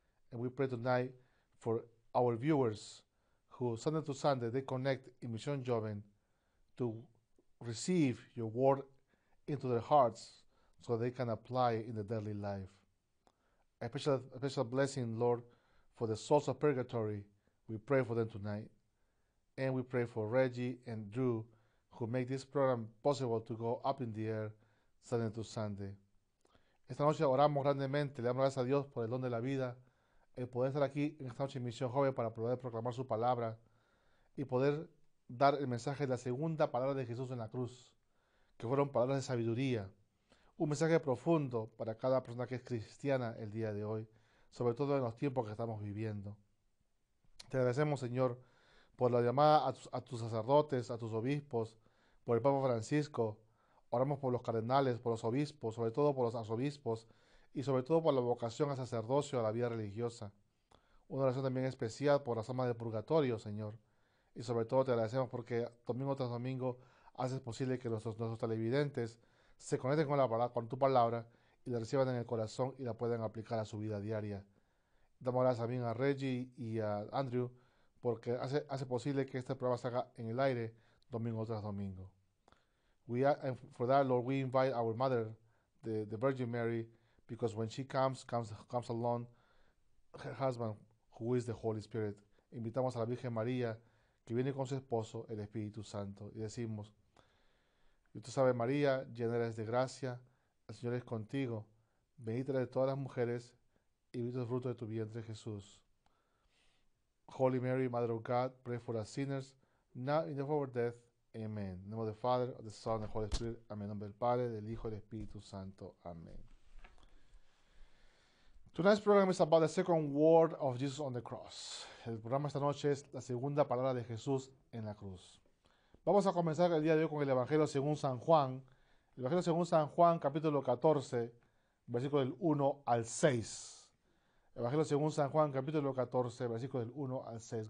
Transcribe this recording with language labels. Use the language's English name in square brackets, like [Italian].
[English] And we pray tonight for our viewers who Sunday to Sunday, they connect in Mission Joven to receive your word into their hearts so they can apply in their daily life. A special blessing, Lord, for the souls of purgatory. We pray for them tonight. And we pray for Reggie and Drew, who make this program possible to go up in the air Sunday to Sunday. [Spanish] Esta noche oramos grandemente, le damos gracias a Dios por el don de la vida, el poder estar aquí en esta noche en Misión Joven para poder proclamar su palabra y poder dar el mensaje de la segunda palabra de Jesús en la cruz, que fueron palabras de sabiduría, un mensaje profundo para cada persona que es cristiana el día de hoy, sobre todo en los tiempos que estamos viviendo. Te agradecemos, Señor, por la llamada a tus sacerdotes, a tus obispos, por el Papa Francisco. Oramos por los cardenales, por los obispos, sobre todo por los arzobispos y sobre todo por la vocación al sacerdocio, a la vida religiosa. Una oración también especial por las almas del purgatorio, Señor. Y sobre todo te agradecemos porque domingo tras domingo haces posible que nuestros televidentes se conecten con la palabra, con tu palabra y la reciban en el corazón y la puedan aplicar a su vida diaria. Damos gracias también a Reggie y a Andrew, porque hace posible que este programa salga en el aire domingo tras domingo. [English] We are, and for that, Lord, we invite our mother, the Virgin Mary, because when she comes alone, her husband, who is the Holy Spirit. [Spanish] Invitamos a la Virgen María, que viene con su esposo, el Espíritu Santo, y decimos, y tú sabes, María, llena eres de gracia, el Señor es contigo, bendita eres de todas las mujeres, y bendito es el fruto de tu vientre, Jesús. [English] Holy Mary, Mother of God, pray for us sinners, now and at our death. Amen. In the name of the Father, of the Son, of the Holy Spirit. Amen. In the name of the Father, [Spanish] del Hijo, del Espíritu Santo. [English] Amen. Tonight's program is about the second word of Jesus on the cross. [Spanish] El programa esta noche es la segunda palabra de Jesús en la cruz. Vamos a comenzar el día de hoy con el Evangelio según San Juan. El Evangelio según San Juan, capítulo 14, versículo del 1 al 6. Evangelio según San Juan, capítulo 14, versículo del 1 al 6.